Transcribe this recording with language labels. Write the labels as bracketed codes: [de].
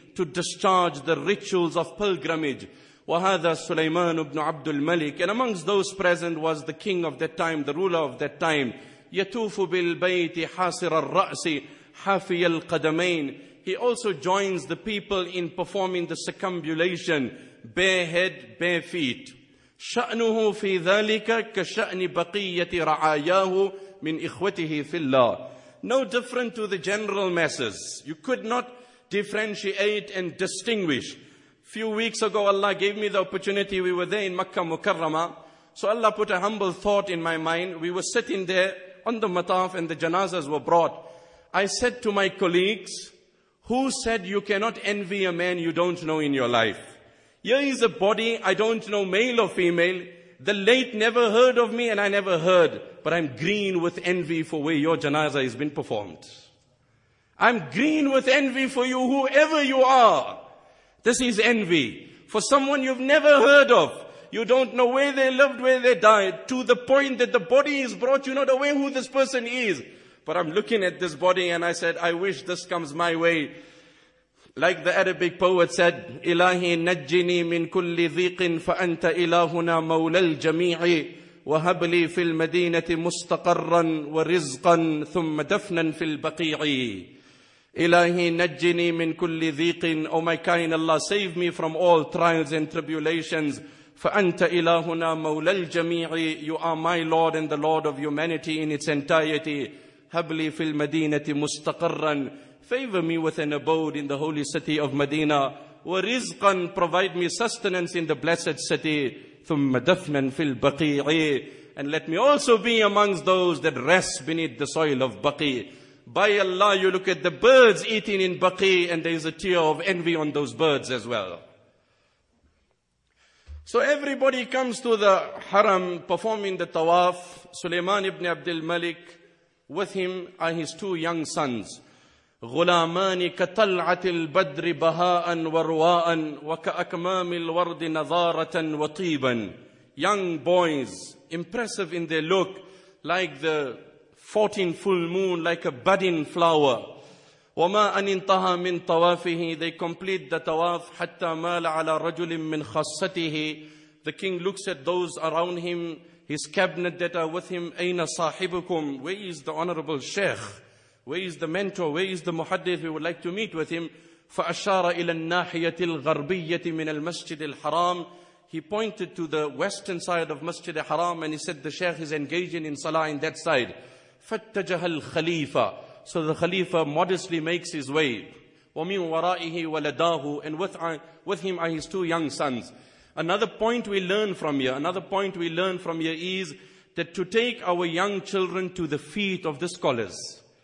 [en] To discharge the rituals of pilgrimage. [ar] وَهَذَا سُلَيْمَانُ بْنُ عَبْدُ الْمَلِكِ. [en] And amongst those present was the king of that time, the ruler of that time. [ar] يَتُوفُ بِالْبَيْتِ حَاصِرَ الرَّأْسِ حَافِيَ الْقَدَمَيْنِ. [en] He also joins the people in performing the circumambulation, bare head, bare feet. [ar] شأنه في ذلك كشأن بقية رعاياه من إخوته في الله. [en] No different to the general masses. You could not differentiate and distinguish. Few weeks ago Allah gave me the opportunity, we were there in Makkah Mukarrama. So Allah put a humble thought in my mind. We were sitting there on the mataf and the janazas were brought. I said to my colleagues, who said you cannot envy a man you don't know in your life? Here is a body, I don't know male or female. The late never heard of me and I never heard. But I'm green with envy for where your janazah has been performed. I'm green with envy for you, whoever you are. This is envy. For someone you've never heard of. You don't know where they lived, where they died. To the point that the body is brought, you're not aware who this person is. But I'm looking at this body and I said, I wish this comes my way. Like the Arabic poet said, [ar] إِلَهِ نَجِّنِي مِن كُلِّ ذِيقٍ فَأَنْتَ إِلَهُنَا مَوْلَى الْجَمِيعِ وَهَبْ لِي فِي الْمَدِينَةِ مُسْتَقَرًّا وَرِزْقًا ثُمَّ دَفْنًا فِي الْبَقِيعِ. إِلَهِ نَجِّنِي مِن كُلِّ ذِيقٍ. [en] O my kind Allah, save me from all trials and tribulations. [ar] فَأَنْتَ إِلَهُنَا مَوْلَى الْجَمِيعِ. [en] You are my Lord and the Lord of humanity in its entirety. [ar] هَبْ لِي فِي الْمَدِينَةِ مُسْتَقَرًّا. [en] Favor me with an abode in the holy city of Medina. [ar] وَرِزْقًا. [en] Provide me sustenance in the blessed city. [ar] ثُمَّ دَفْنًا فِي الْبَقِيعِ. [en] And let me also be amongst those that rest beneath the soil of Baqi. By Allah, you look at the birds eating in Baqi and there is a tear of envy on those birds as well. So everybody comes to the haram performing the tawaf. Sulaiman ibn Abdul Malik, with him are his two young sons. [ar] غلامان كطلعة البدر بهاء ورواء وكأكمام الورد نظارة وطيبا. [en] Young boys, impressive in their look, like the 14 full moon, like a budding flower. [ar] وما أن انتهى من طوافه. [en] They complete the tawaf [ar] حتى مال على رجل من خصته. [en] The king looks at those around him, his cabinet that are with him. [ar] أين صاحبكم? [en] Where is the honorable sheikh? Where is the mentor? Where is the muhaddith? We would like to meet with him. [ar] فأشار إلى الناحية الغربية من المسجد الحرام. [en] He pointed to the western side of Masjid al-Haram and he said, the sheikh is engaging in salah in that side. [ar] فاتجه الخليفة. [en] So the Khalifa modestly makes his way. [ar] ومن ورائه ولداه. [en] And with him are his two young sons. Another point we learn from here is that to take our young children to the feet of the scholars.